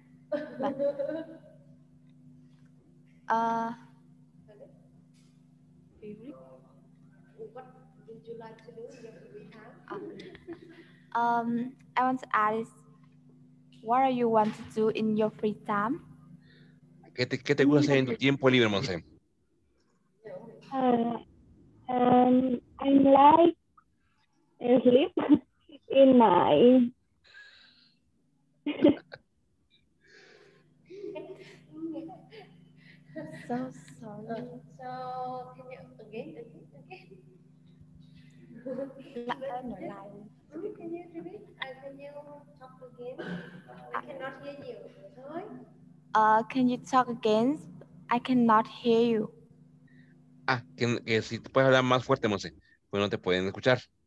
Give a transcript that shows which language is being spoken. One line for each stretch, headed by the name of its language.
English: I want to ask, what do you want to do in your free time?
Spanish: ¿Qué te gusta hacer en tu tiempo libre, Monse?
English: I like sleep in my. Can you talk again? I cannot hear you.
Spanish: Ah, que si te puedes hablar más fuerte, Monse, pues no te pueden escuchar.